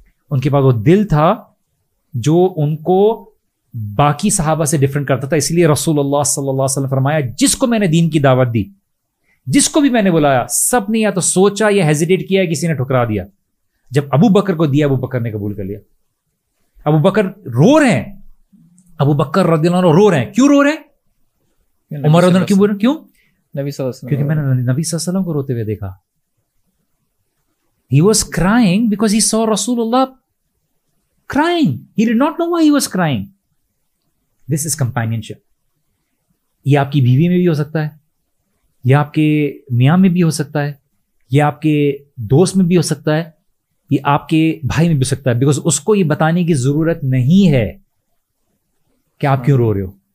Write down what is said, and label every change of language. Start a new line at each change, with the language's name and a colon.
Urdu: ان کے پاس وہ دل تھا جو ان کو باقی صحابہ سے ڈفرنٹ کرتا تھا. اس لیے رسول اللہ صلی اللہ علیہ وسلم فرمایا, جس کو میں نے دین کی دعوت دی, جس کو بھی میں نے بلایا, سب نے یا تو سوچا یا ہیزیٹیٹ کیا, کسی نے ٹھکرا دیا. جب ابو بکر کو دیا, ابو بکر نے قبول کر لیا. ابو بکر رو رہے ہیں, ابو بکر رضی اللہ عنہ رو رہے ہیں. کیوں رو رہے ہیں؟ عمر رضی اللہ عنہ کیوں بول رہے ہیں؟ کیوں؟ نبی صلی اللہ علیہ وسلم, کیونکہ میں نے نبی صلی اللہ علیہ وسلم کو روتے ہوئے دیکھا.
English: He was crying because he saw Rasulullah crying. He did not know why he was crying. This is companionship.
Urdu: یہ آپ کی بیوی میں بھی ہو سکتا ہے, یہ آپ کے میاں میں بھی ہو سکتا ہے, یہ آپ کے دوست میں بھی ہو سکتا ہے, یہ آپ کے بھائی میں بھی ہو سکتا ہے, بیکاز اس کو یہ بتانے کی ضرورت نہیں ہے کہ آپ کیوں رو رہے ہو.